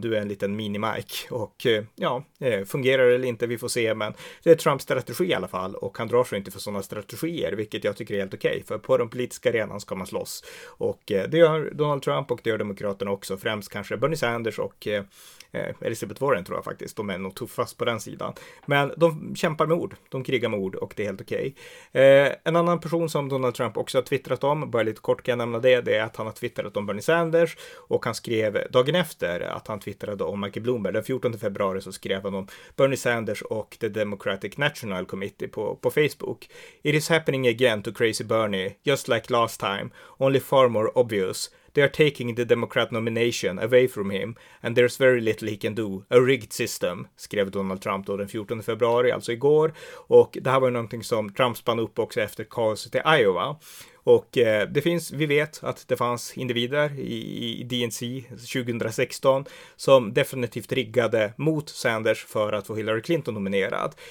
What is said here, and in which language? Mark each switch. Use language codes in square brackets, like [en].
[sv] Du är en liten mini-Mike, och ja, fungerar eller inte, vi får se, men det är Trumps strategi i alla fall, och han drar och inte för sådana strategier, vilket jag tycker är helt okej, för på den politiska arenan ska man slåss, och det gör Donald Trump och det gör Demokraterna också, främst kanske Bernie Sanders och Elizabeth Warren tror jag faktiskt, de är nog tuffast på den sidan, men de kämpar med ord, de krigar med ord, och det är helt okej. En annan person som Donald Trump också har twittrat om, bara lite kort kan jag nämna det är att han har twittrat om Bernie Sanders, och han skrev dagen efter att han twittrade om Michael Bloomberg, den 14 februari så skrev han om Bernie Sanders och The Democratic National Committee på Facebook. [en] It is happening again to crazy Bernie, just like last time, only far more obvious. They are taking the Democrat nomination away from him, and there's very little he can do. A rigged system, [sv] skrev Donald Trump då den 14 februari, alltså igår. Och det här var ju någonting som Trump spann upp också efter kaoset i Iowa. Och det finns, vi vet att det fanns individer i DNC 2016 som definitivt riggade mot Sanders för att få Hillary Clinton nominerad.